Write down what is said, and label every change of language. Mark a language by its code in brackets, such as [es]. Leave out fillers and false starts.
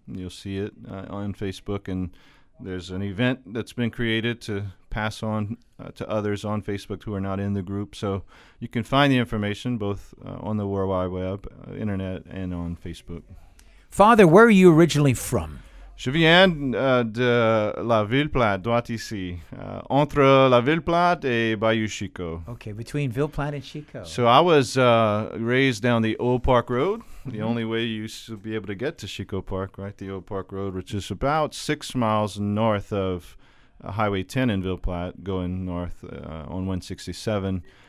[en] You'll see it on Facebook, and there's an event that's been created to pass on to others on Facebook who are not in the group. So you can find the information both on the World Wide Web, Internet, and on Facebook. Father, where are you originally from? [fr] Je viens de la Ville Platte, droit ici, entre la Ville Platte et Bayou Chico. [en] Okay, between Ville Platte and Chico. So I was raised down the Old Park Road, the only way you should be able to get to Chico Park, right? The Old Park Road, which is about 6 miles north of Highway 10 in Ville Platte, going north on 167.